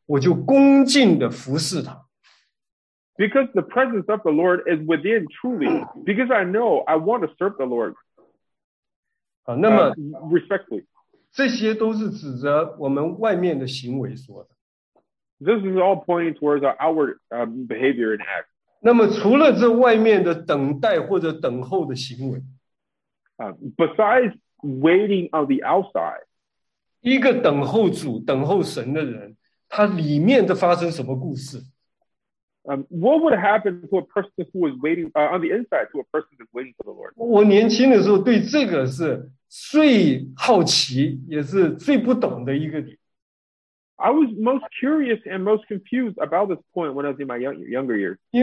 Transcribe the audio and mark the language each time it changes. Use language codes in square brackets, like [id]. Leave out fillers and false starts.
[zh] 因为主的同在已经在我里面，在我的信心中，我确实知道他在这里，我就恭敬地服侍他。 [en] Because the presence of the Lord is within truly, because I know I want to serve the Lord. [zh] 那么, [en] respectfully. [zh] 这些都是指着我们外面的行为说的。 [en] This is all pointing towards our outward behavior and act. [zh] 那么除了这外面的等待或者等候的行为, [en] besides waiting on the outside, [zh] 一个等候主、等候神的人，他里面的发生什么故事？ [en] What would happen to a person who is waiting on the inside to a person who is waiting for the Lord? [zh] 我年轻的时候对这个是最好奇，也是最不懂的一个点。I [en] was most curious and most confused about this point when I was in my younger years.